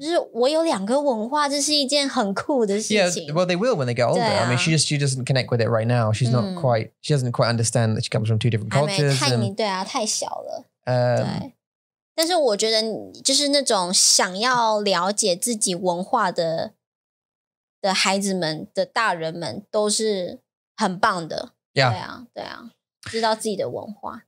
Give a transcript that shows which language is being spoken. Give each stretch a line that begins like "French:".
Chinese: 就是我有两个文化, 这是一件很酷的事情。
English: Yeah, well, they will when they get older.
Chinese: 对啊。
English: I mean, she doesn't connect with it right now. She's not quite, she doesn't quite understand that she comes from two different cultures.
Chinese: 还没太, and, 对啊, 太小了。但是我觉得就是那种想要了解自己文化的孩子们的大人们都是很棒的。
English: Yeah.
Chinese: 对啊对啊，知道自己的文化。